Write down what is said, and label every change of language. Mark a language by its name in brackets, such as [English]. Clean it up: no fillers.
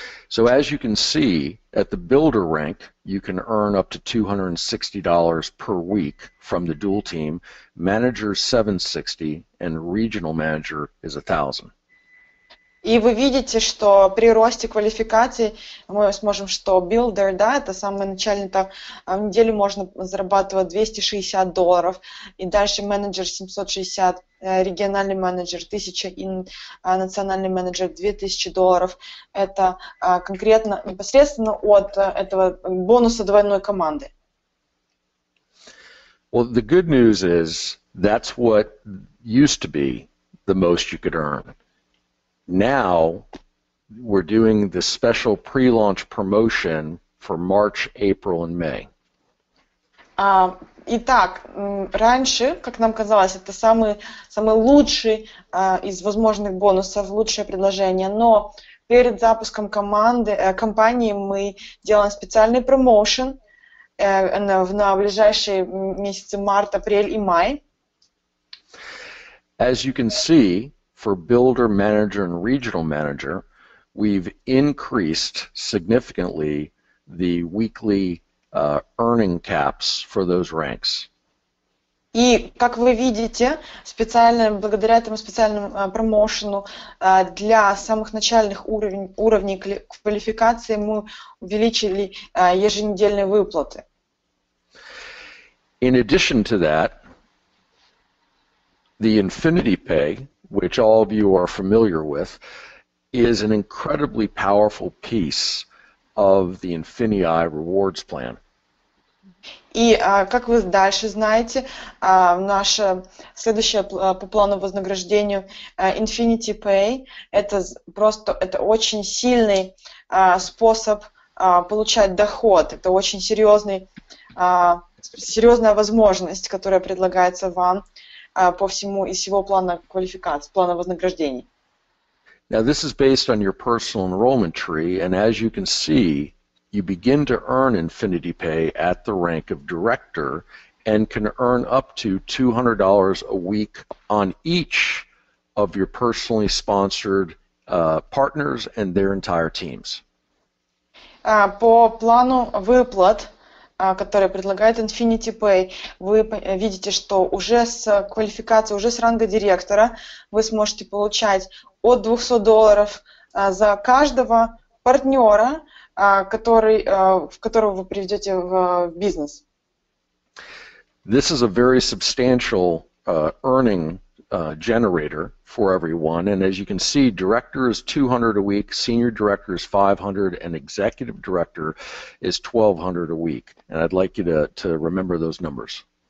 [English] So as you can see, at the builder rank, you can earn up to $260 per week from the dual team. Manager is $760, and regional manager is $1,000. [Russian] И вы видите, что при росте квалификации мы сможем, что builder, да, это самый начальный этап, в неделю можно зарабатывать $260, и дальше менеджер $760. Региональный менеджер 1000 и национальный менеджер $2000. Это конкретно непосредственно от этого бонуса двойной команды. [English] Well, the good news is that's what used to be the most you could earn. Now we're doing the special pre-launch promotion for March, April, and May. [Russian] Итак, раньше, как нам казалось, это самый лучший из возможных бонусов, лучшее предложение. Но перед запуском компании мы делаем специальный промоушен на ближайшие месяцы март, апрель и май. [English] As you can see, for builder, manager and regional manager, we've increased significantly the weekly earning caps for those ranks. [Russian] И как вы видите, специально благодаря этому специальному промоушену для самых начальных уровней квалификации мы увеличили еженедельные выплаты. [English] In addition to that, the Infinity Pay, which all of you are familiar with, is an incredibly powerful piece of the Infinii Rewards Plan. [Russian] И как вы дальше знаете, наше следующее по плану вознаграждению Infinity Pay это очень сильный способ получать доход. Это очень серьезный серьезная возможность, которая предлагается вам по всему из всего плана квалификации, плана вознаграждений. [English] Now this is based on your personal enrollment tree, and as you can see, you begin to earn Infinity Pay at the rank of director, and can earn up to $200 a week on each of your personally sponsored partners and their entire teams. [Russian] По плану выплат, который предлагает Infinity Pay, вы видите, что уже с квалификацией, уже с ранга директора, вы сможете получать от $200 за каждого партнера, которого вы приведете в бизнес. [English] This is a very substantial earning generator for everyone, and as you can see, director is $200 a week, senior director is $500, and executive director is $1,200 a week. And I'd like you to remember those numbers.